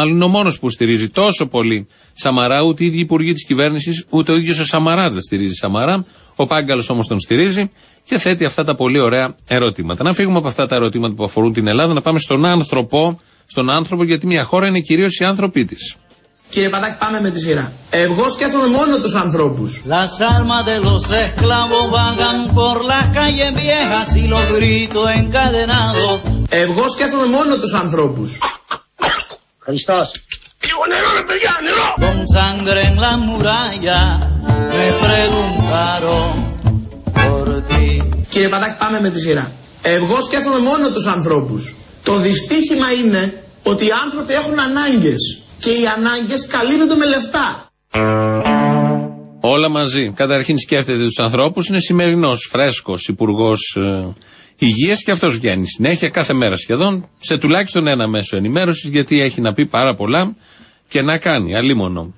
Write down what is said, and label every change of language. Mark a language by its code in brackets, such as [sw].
[el] Μάλλον είναι ο μόνος που στηρίζει τόσο πολύ Σαμαρά, ούτε οι ίδιοι υπουργοί της κυβέρνησης, ούτε ο ίδιος ο Σαμαράς δεν στηρίζει Σαμαρά. Ο Πάγκαλος όμως τον στηρίζει και θέτει αυτά τα πολύ ωραία ερωτήματα. Να φύγουμε από αυτά τα ερωτήματα που αφορούν την Ελλάδα, να πάμε στον άνθρωπο, γιατί μια χώρα είναι κυρίως οι άνθρωποι της. Κύριε Πατάκ, πάμε με τη σειρά. Εγώ σκέφτομαι μόνο τους ανθρώπους. [es] Las armas de los esclavos vagan por las calles viejas y los gritos encadenados. [el] Εγώ σκέφτομαι μόνο τους ανθρώπους. Χριστός. Πιω νερό, ρε παιδιά, νερό! [es] Con sangre en la muralla me preguntaron por ti. [el] Κύριε Πατάκ, πάμε με τη σειρά. Εγώ σκέφτομαι μόνο τους ανθρώπους. Το δυστύχημα είναι ότι οι άνθρωποι έχουν ανάγκες. Και οι ανάγκες καλύπτονται με λεφτά. Όλα μαζί. Καταρχήν σκέφτεται τους ανθρώπους. Είναι σημερινός, φρέσκος, υπουργός υγείας και αυτός βγαίνει συνέχεια, κάθε μέρα σχεδόν, σε τουλάχιστον ένα μέσο ενημέρωσης, γιατί έχει να πει πάρα πολλά και να κάνει, αλίμονο.